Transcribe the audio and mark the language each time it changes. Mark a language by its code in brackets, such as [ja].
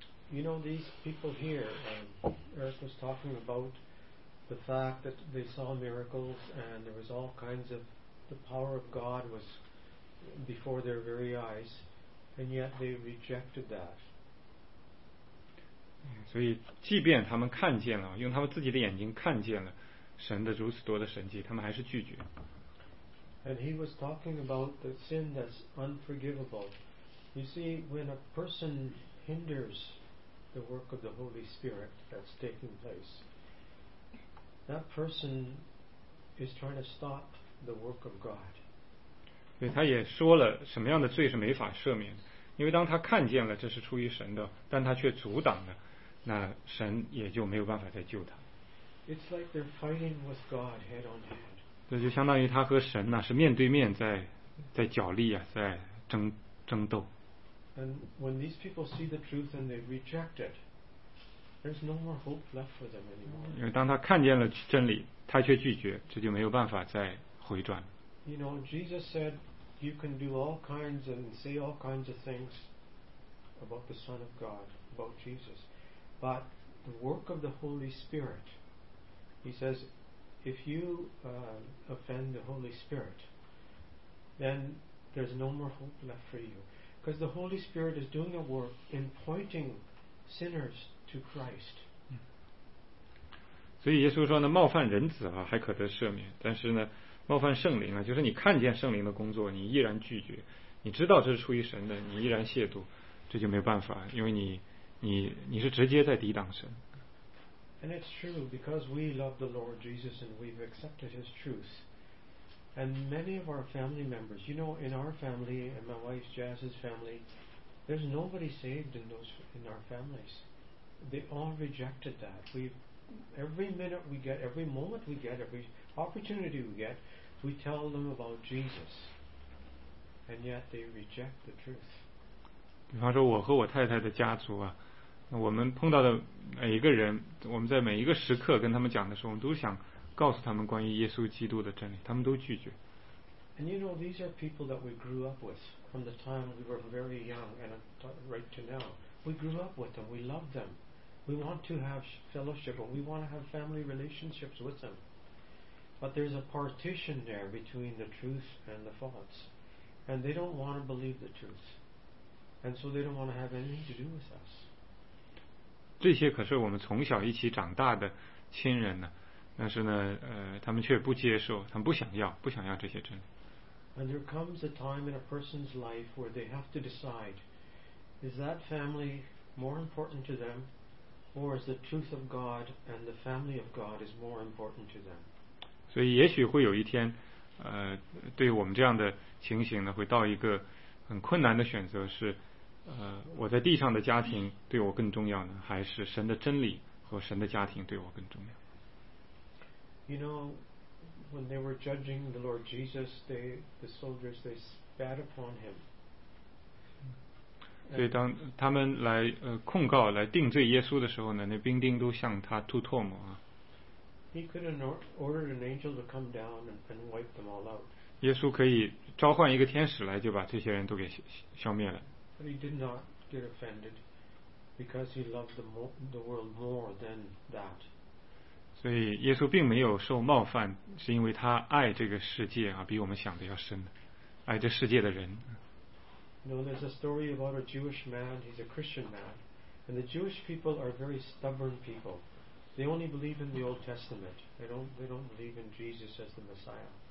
[en] You know, these people here, Eric was talking about the fact that they saw miracles and there was all kinds of the power of God was before their very eyes, and yet they rejected that. [zh] 所以，即便他们看见了，用他们自己的眼睛看见了。神的如此多的神迹，他们还是拒绝。 [en] And he was talking about the sin that's unforgivable. You see, when a person hinders the work of the Holy Spirit that's taking place, that person is trying to stop the work of God. [zh] 对，他也说了什么样的罪是没法赦免的，因为当他看见了这是出于神的，但他却阻挡了，那神也就没有办法再救他。 [en] It's like they're fighting with God head on head. [zh] 这就相当于他和神呢、啊、是面对面在角力啊，在争斗。 [en] And when these people see the truth and they reject it, there's no more hope left for them anymore. [zh] 因为当他看见了真理，他却拒绝，这就没有办法再回转。 [en] You know, Jesus said, "You can do all kinds and say all kinds of things about the Son of God, about Jesus, but the work of the Holy Spirit." He says, if you offend the Holy Spirit, then there's no more hope left for you. Because the Holy Spirit is doing a work in pointing sinners to Christ. [zh] 所以耶稣说呢，冒犯人子啊，还可得赦免。但是呢，冒犯圣灵啊，就是你看见圣灵的工作，你依然拒绝。你知道这是出于神的，你依然亵渎，这就没有办法，因为你是直接在抵挡神。 [en] And it's true, because we love the Lord Jesus and we've accepted His truth. And many of our family members, you know, in our family, in my wife Jazz's family, there's nobody saved in our families. They all rejected that. Every minute we get, every moment we get, every opportunity we get, we tell them about Jesus. And yet they reject the truth. [zh] 比方说我和我太太的家族啊，我们碰到的每一个人，我们在每一个时刻跟他们讲的时候，我们都想告诉他们关于耶稣基督的真理，他们都拒绝。 [en] And you know, these are people that we grew up with from the time we were very young and right to now. We grew up with them. We love them. We want to have fellowship and we want to have family relationships with them. But there's a partition there between the truth and the false. And they don't want to believe the truth. And so they don't want to have anything to do with us. [zh] 这些可是我们从小一起长大的亲人呢，但是呢，他们却不接受，他们不想要这些真理。 [en] And there comes a time in a person's life where they have to decide: is that family more important to them, or is the truth of God and the family of God is more important to them? [zh] 所以也许会有一天，对我们这样的情形呢，会到一个很困难的选择是。我在地上的家庭对我更重要呢，还是神的真理和神的家庭对我更重要？ [en] You know, when they were judging the Lord Jesus, the soldiers, they spat upon him. [zh] 所以当他们来控告来定罪耶稣的时候呢，那兵丁都向他吐唾沫啊。 [en] He could have ordered an angel to come down and wipe them all out. [zh] 耶稣可以召唤一个天使来就把这些人都给消灭了。 [en] But he did not get offended because he loved the world more than that. [zh] 所以耶稣并没有受冒犯，是因为他爱这个世界啊，比我们想的要深，爱这世界的人。 [en] You know, there's a story about a Jewish man. He's a Christian man, and the Jewish people are very stubborn people. They only believe in the Old Testament. They don't believe in Jesus as the Messiah.